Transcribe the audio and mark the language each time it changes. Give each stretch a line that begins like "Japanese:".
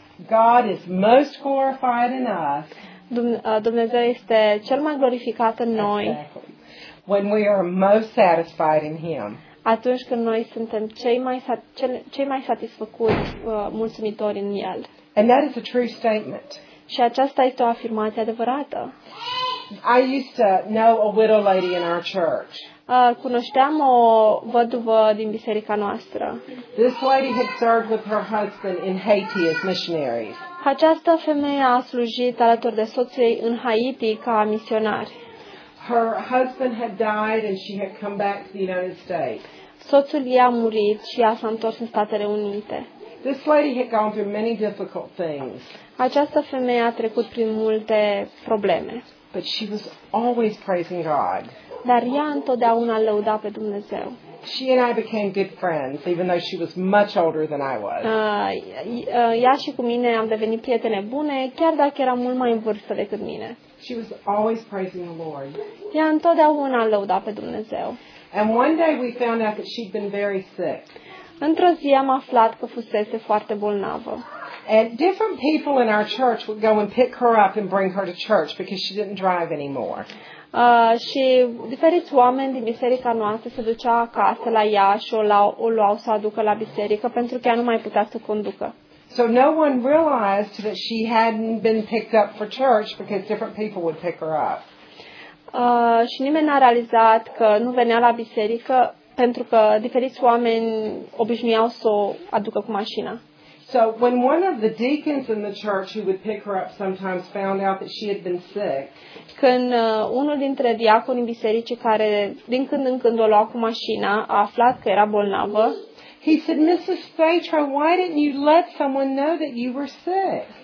English: God is most glorified in us.
Romanian: Dumnezeu este cel mai glorificat în noi.
English: Exactly. When we are most satisfied in him.
Romanian: Atunci când noi suntem cei mai satisfăcuți, mulțumitori în el.
English: And that is a true statement.
Romanian: Și aceasta este o afirmație adevărată.
English: I used to know a widow lady in our church.
Romanian: Cunoșteam o văduvă din biserica noastră.
English: This lady had served with her husband in Haiti as missionaries.
Romanian: Această femeie a slujit alături de soțul ei în Haiti ca misionari.
English: Her husband had died and she had come back to the United States.
Romanian: Soțul ei a murit și ea s-a întors în Statele Unite.
English: This lady had gone through many difficult things.
Romanian: Această femeie a trecut prin multe probleme.
English: But she was always praising God.
Romanian: Dar ea întotdeauna lăuda pe Dumnezeu.
English: she and I became good friends, even though she was much older than I was.
Romanian: Ea și cu mine am devenit prietene bune, chiar dacă era mult mai în vârstă decât mine.
English: She was always praising the Lord.
Romanian: Ea întotdeauna lăuda pe Dumnezeu.
English: And one day we found out that she'd been very sick.
Romanian: Într-o zi am aflat că fusese foarte bolnavă.
English: And different people in our church would go and pick her up and bring her to church because she didn't drive anymore.
Romanian: Și diferiți oameni din biserica noastră se duceau acasă la ea și o luau să aducă la biserică pentru că ea nu mai putea să conducă.
English: So no one realized that she hadn't been picked up for church because different people would pick her up.
Romanian: Și nimeni n-a realizat că nu venea la biserică pentru că diferiți oameni obișnuiau să o aducă cu mașina.
English: So when one of the deacons in the church who would pick her up sometimes found out that she had been sick,
Romanian: când unul dintre diaconii bisericii care din când în când o lua cu mașina a aflat că era bolnavă,
English: he said, "Mrs. Phaetra, why didn't you let someone know that you were sick?"